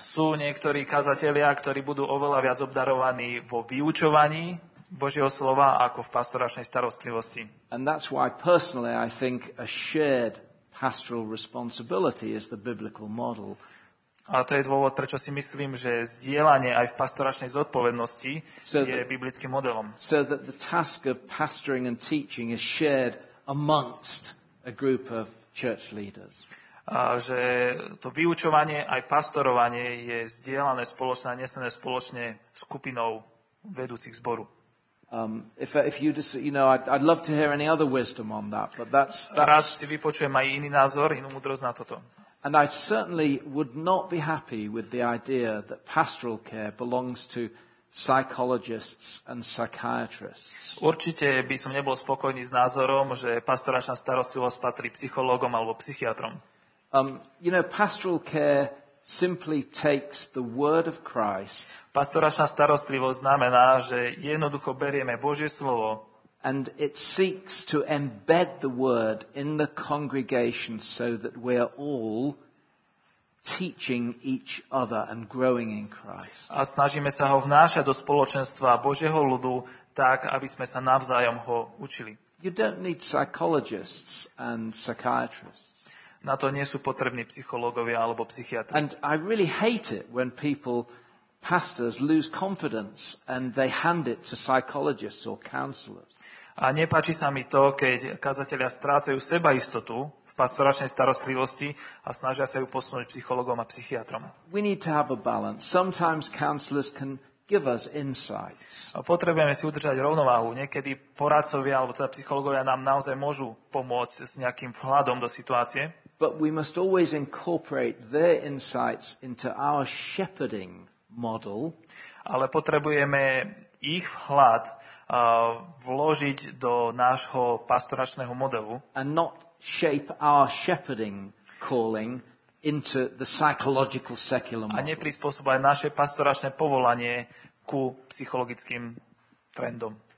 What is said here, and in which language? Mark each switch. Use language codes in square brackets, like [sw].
[sk] Sú niektorí kazatelia, ktorí budú oveľa viac obdarovaní vo vyučovaní Božieho slova ako v pastoračnej starostlivosti. [en] And that's why personally I think a shared pastoral responsibility is the biblical model. [sk] A to je dôvod, prečo si myslím, že zdieľanie aj v pastoračnej zodpovednosti je biblickým modelom. [en] So that the task of pastoring and teaching is shared amongst a group of church leaders. [sk] A že to vyučovanie aj pastorovanie je zdieľané spoločne a nesené spoločne skupinou vedúcich zboru. [en] I'd love to hear any other wisdom on that, but that's [sk] rád si vypočujem aj iný názor, inú múdrosť na toto. [en] And I certainly would not be happy with the idea that pastoral care belongs to psychologists and psychiatrists. [sk] Určite by som nebol spokojný s názorom, že pastoračná starostlivosť patrí psychológom alebo psychiatrom. [en] Pastoral care simply takes the word of Christ. [sk] Pastoračná starostlivosť znamená, že jednoducho berieme Božie slovo. [en] And it seeks to embed the word in the congregation so that we are all teaching each other and growing in Christ. [sk] A snažíme sa ho vnášať do spoločenstva Božieho ľudu tak, aby sme sa navzájom ho učili. [en] You don't need psychologists and psychiatrists. [sk] Na to nie sú potrební psychológovia alebo psychiatri. [en] And I really hate it when people, pastors, lose confidence and they hand it to psychologists or counselors. [sk] A nepáči sa mi to, keď kazatelia strácajú sebaistotu v pastoračnej starostlivosti a snažia sa ju posunúť psychologom a psychiatrom. [en] We need to have a balance. Sometimes counselors can give us insights. [sk] Potrebujeme si udržať rovnováhu. Niekedy poradcovia alebo teda psychológovia nám naozaj môžu pomôcť s nejakým vhľadom do situácie. [en] But we must always incorporate their insights into our shepherding model. [sk] Ale potrebujeme ich vhľad vložiť do nášho pastoračného modelu. [en] And not shape our shepherding calling into the psychological secular model. [sk] A neprispôsobuje naše pastoračné povolanie ku psychologickým trendom.